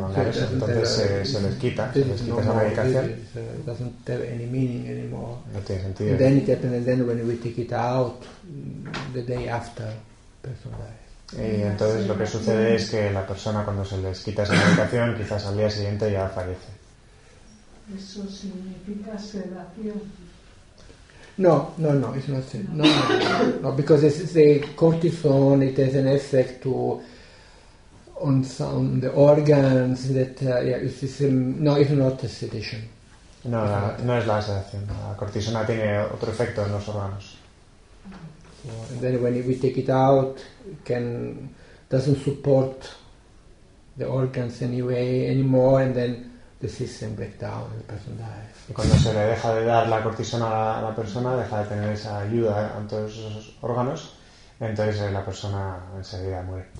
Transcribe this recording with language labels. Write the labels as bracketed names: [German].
[Spanish] Prolongar eso, entonces se les quita esa medicación. [English] It doesn't have any meaning anymore. [Spanish] No tiene sentido. [English] And then it happens then when we take it out the day after person dies. [Spanish] Y entonces lo que sucede es que la persona, cuando se les quita esa medicación, quizás al día siguiente ya fallece. ¿Eso significa sedación? [English] No, it's not sedation. No, because it's the cortisone, it has an effect to on some the organs that it's not a sedation. [Spanish] No es la sedación. La cortisona tiene otro efecto en los órganos. [English] And then when we take it out, doesn't support the organs anyway anymore, and then the system breaks down and the person dies. [Spanish] Y cuando se le deja de dar la cortisona a la persona, deja de tener esa ayuda a todos esos órganos, entonces la persona enseguida muere.